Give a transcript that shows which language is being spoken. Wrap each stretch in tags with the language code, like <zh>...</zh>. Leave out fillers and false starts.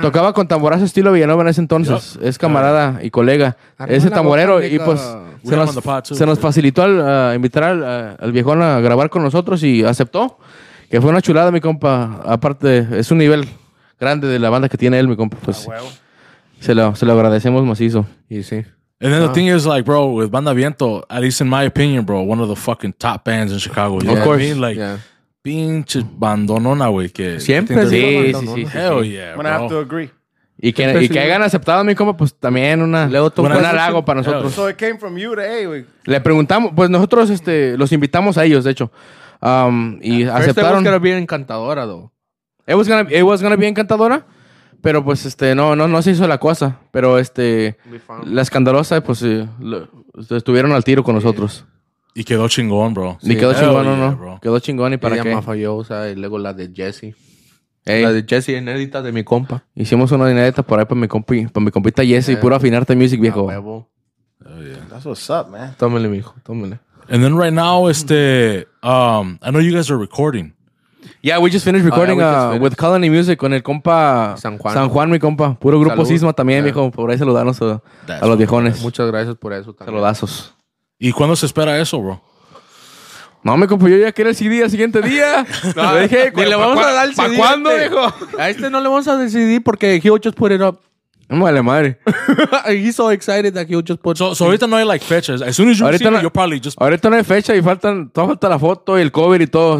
<es>Tocaba con tamborazo estilo Villanueva en ese entonces. Yep. Es camarada y colega. Arriba ese tamborero. Boca, y pues se nos facilitó invitar al viejón a grabar con nosotros y aceptó. Que fue una chulada, mi compa. Aparte, es un nivel grande de la banda que tiene él, mi compa. Pues, se lo agradecemos macizo. Y sí.</es> <en>And then the thing is, like, bro, with Banda Viento, at least in my opinion, bro, one of the fucking top bands in Chicago. Of course. I mean, like,</en> <es>pinche bandonona, güey. Siempre, sí, sí, sí.</es> <en>Hell yeah, bro. I'm gonna have to agree.</en> <es>Y que hayan aceptado a mí como, pues, también una... Luego tocó un halago para nosotros.</es> <en>So it came from you to A, güey.</en> <es>Le preguntamos, pues, nosotros los invitamos a ellos, de hecho. Y aceptaron.</es> <en>First, it was gonna be encantadora, though. It was gonna be encantadora.</en> <es>Pero pues no se hizo la cosa, pero la escandalosa pues estuvieron al tiro con nosotros. Y quedó chingón, bro. Sí. Y quedó chingón, yeah, no. Bro. Quedó chingón y para ella qué. Ella falló, o sea, y luego la de Jesse. La de Jesse inédita de mi compa. Hicimos una inédita por ahí para mi compita Jesse, puro afinarte music, viejo.</es> <en>Oh, yeah. That's what's up, man.</en> <es>Tómele, mijo, tómele.</es> <en>And then right now I know you guys are recording. Yeah, we just finished recording with Colony Music</en> <es>con el compa San Juan, mi compa. Puro grupo Salud. Sisma también, viejo. Yeah. Por ahí saludarnos a los viejones. Right. Muchas gracias por eso también. Saludazos. ¿Y cuándo se espera eso, bro? No, mi compa, yo ya quiero el CD al siguiente día. No, le dije, ni le vamos a dar el CD. ¿Para cuándo, viejo? A este no le vamos a dar el CD porque</es> <en>he will just put it up.</en> <es>Vale, madre.</es> <en>He's so excited that he will just put</en> <es>it up. So ahorita no hay, like, fechas.</es> <en>As soon as you see it, you'll probably just...</en> <es>Ahorita no hay fecha y falta la foto y el cover y todo.</es>